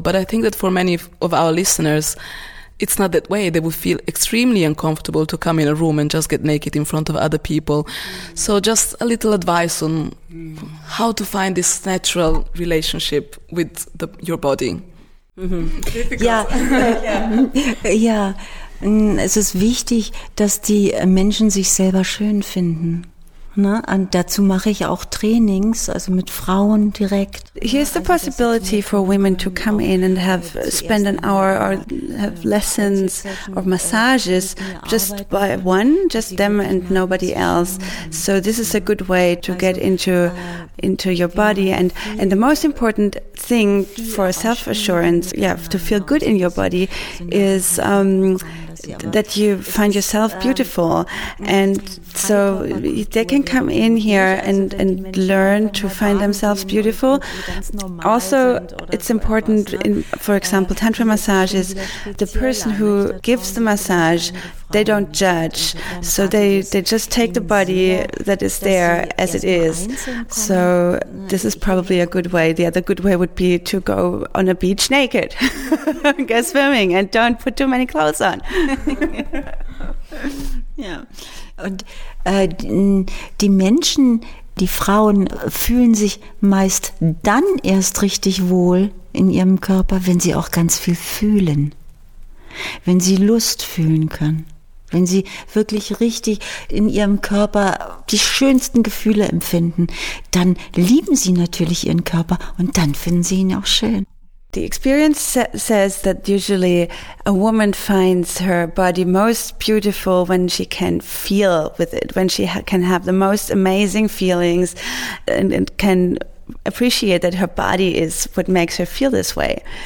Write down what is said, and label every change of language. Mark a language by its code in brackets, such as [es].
[en] But I think that for many of our listeners, it's not that way. They would feel extremely uncomfortable to come in a room and just get naked in front of other people. So just a little advice on how to find this natural relationship with your body. Mm-hmm. Yeah. Yeah. [de] Es ist wichtig, dass die Menschen sich selber schön finden. Na, und dazu mache ich auch Trainings, also mit Frauen direkt. [en] Here's the possibility for women to come in and have spend an hour or have lessons or massages just by one, just them and nobody else. So this is a good way to get into your body. And the most important thing for self-assurance, yeah, to feel good in your body, is that you find yourself beautiful. And so they can come in here and learn to find themselves beautiful. Also, it's important, for example, tantra massages, the person who gives the massage, they don't judge. So they just take the body that is there as it is. So this is probably a good way. The other good way would be to go on a beach naked, go swimming, and don't put too many clothes on. Yeah. [de] Und die Menschen, die Frauen, fühlen sich meist dann erst richtig wohl in ihrem Körper, wenn sie auch ganz viel fühlen, wenn sie Lust fühlen können, wenn sie wirklich richtig in ihrem Körper die schönsten Gefühle empfinden, dann lieben sie natürlich ihren Körper und dann finden sie ihn auch schön. [en] The experience says that usually a woman finds her body most beautiful when she can feel with it, when she can have the most amazing feelings and can appreciate that her body is what makes her feel this way.